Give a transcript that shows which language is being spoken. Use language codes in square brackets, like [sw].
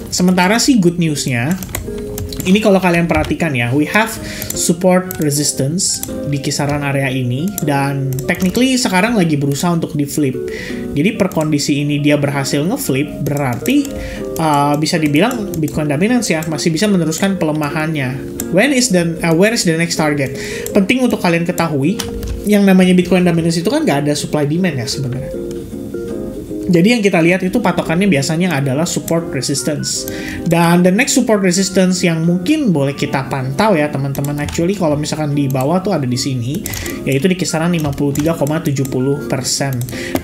[id] Sementara sih good news-nya, ini kalau kalian perhatikan ya, [en] we have support resistance [id] di kisaran area ini, dan technically sekarang lagi berusaha untuk di-flip. Jadi per kondisi ini dia berhasil nge-flip, berarti bisa dibilang Bitcoin Dominance ya, masih bisa meneruskan pelemahannya. [en] Where is the next target? [id] Penting untuk kalian ketahui, yang namanya Bitcoin Dominance itu kan nggak ada supply demand ya sebenarnya. Jadi yang kita lihat itu patokannya biasanya adalah support resistance. Dan the next support resistance yang mungkin boleh kita pantau ya teman-teman, actually kalau misalkan di bawah tuh ada di sini, yaitu di kisaran 53,70%.